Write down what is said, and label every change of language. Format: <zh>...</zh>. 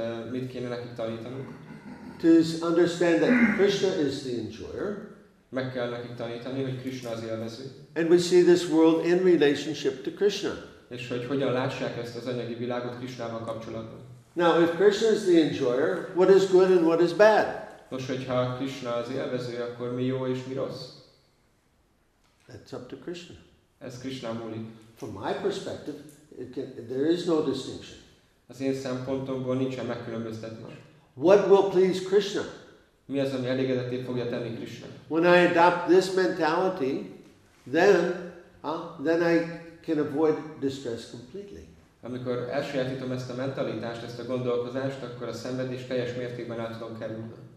<hu>Mit kéne nekik tanítani?</hu> <en>To understand that Krishna is the enjoyer.</en> <hu>Meg kell nekik tanítani, hogy Krishna az élvező.</hu> <en>And we see this world in relationship to Krishna.</en> <hu>És hogy hogyan lássák ezt az anyagi világot Krishnával kapcsolatban.</hu> <en>Now, if Krishna is the enjoyer, what is good and what is bad?</en> <hu>Nos, hogyha Krishna az élvező, akkor mi jó és mi rossz?</hu> <en>That's up to Krishna.</en> <hu>Ez Krishna múlik.</hu> <en>From my perspective, there is no distinction.</en> <hu>Az én szempontomból nincsen megkülönböztetés.</hu> <en>What will please Krishna?</en> <hu>Mi az, ami elégedettét fogja tenni Krishna?</hu> <en>When I adopt this mentality, then I can avoid distress completely.</en> <hu>Amikor elsajátítom ezt a mentalitást, ezt a gondolkozást, akkor a szenvedés teljes mértékben át tudom kerülni.</hu>